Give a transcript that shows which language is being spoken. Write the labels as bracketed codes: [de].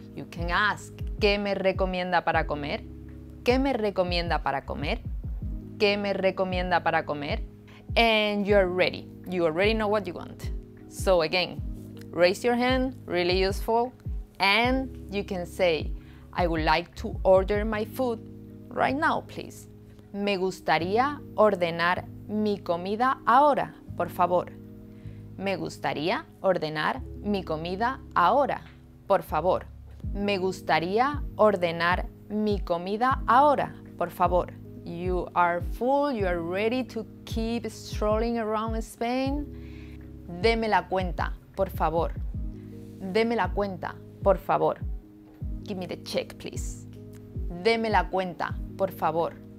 [en] You can ask, [es] ¿qué me recomienda para comer? ¿Qué me recomienda para comer? ¿Qué me recomienda para comer? [en] And you're ready. You already know what you want. So again, raise your hand, really useful. And you can say, I would like to order my food right now, please. [es] Me gustaría ordenar mi comida ahora, por favor. Me gustaría ordenar mi comida ahora, por favor. Me gustaría ordenar mi comida ahora, por favor. [en] You are full, you are ready to keep strolling around Spain. [es] Deme la cuenta, por favor. Deme la cuenta, por favor. [en] Give me the check, please. [es] Deme la cuenta, por favor.